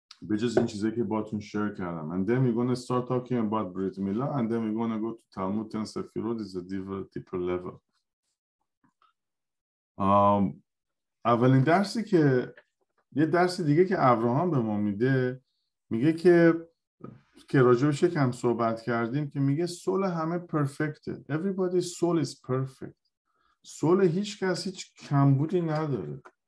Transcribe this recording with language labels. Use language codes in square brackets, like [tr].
[fa] بجز این چیزه که با تون شیر کردم. [en] And then we're going to start talking about Brit Mila. And then we're going to go to Talmud and Sefirot. It's a deeper level. [fa] اولین درسی که یه درس دیگه که ابراهام به ما میده, میگه که راجبش کم صحبت کردیم, که میگه soul همه perfecte. [en] Everybody's soul is perfect. [fa] Soul هیچ کس هیچ کمبودی نداره.